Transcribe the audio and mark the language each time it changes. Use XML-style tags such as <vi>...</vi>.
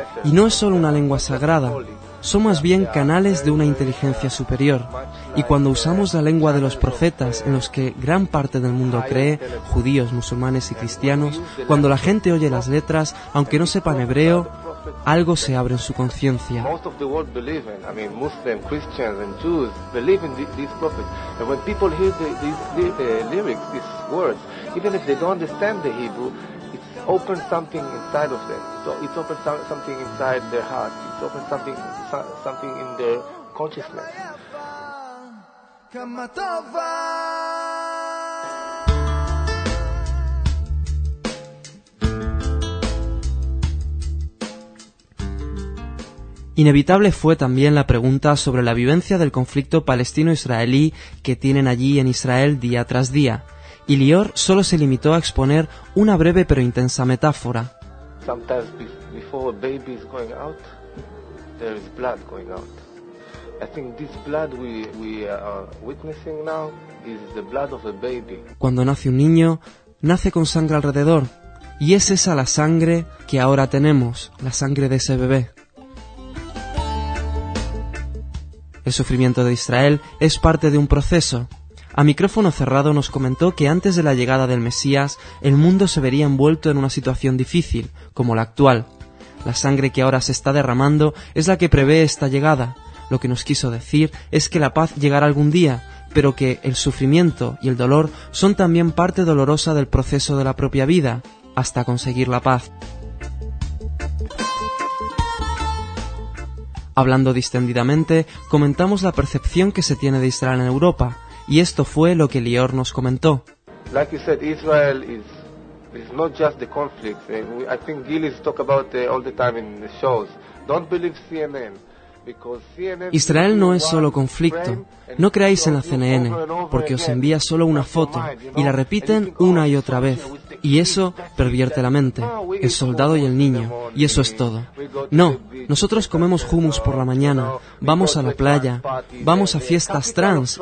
<es>Y no es solo una lengua sagrada, son más bien canales de una inteligencia superior. Y cuando usamos la lengua de los profetas, en los que gran parte del mundo cree, judíos, musulmanes y cristianos, cuando la gente oye las letras, aunque no sepan hebreo, algo se abre en su conciencia.</es> <en>Most of the world believe in, I mean, Muslims, Christians and Jews believe in these prophets. And when people hear these lyrics, these words, even if they don't understand the Hebrew, it opens something inside of them. So it opens something inside their heart. It opens something in their consciousness.</en> <es>Inevitable fue también la pregunta sobre la vivencia del conflicto palestino-israelí que tienen allí en Israel día tras día, y Lior solo se limitó a exponer una breve pero intensa metáfora.</es> <en>Sometimes before a baby is going out, there is blood going out. I think this blood we are witnessing now is the blood of a baby.</en> <es>Cuando nace un niño, nace con sangre alrededor, y es esa la sangre que ahora tenemos, la sangre de ese bebé. El sufrimiento de Israel es parte de un proceso. A micrófono cerrado nos comentó que antes de la llegada del Mesías, el mundo se vería envuelto en una situación difícil, como la actual. La sangre que ahora se está derramando es la que prevé esta llegada, Lo que nos quiso decir es que la paz llegará algún día, pero que el sufrimiento y el dolor son también parte dolorosa del proceso de la propia vida, hasta conseguir la paz. Hablando distendidamente, comentamos la percepción que se tiene de Israel en Europa, y esto fue lo que Lior nos comentó.</es> <en>Like you said, Israel is not just the conflict. I think Gillis talk about it all the time in the shows. Don't believe CNN.</en> <es>Israel no es solo conflicto. No creáis en la CNN, porque os envía solo una foto y la repiten una y otra vez, y eso pervierte la mente, el soldado y el niño, y eso es todo. No, nosotros comemos hummus por la mañana, vamos a la playa, vamos a fiestas trans.</es>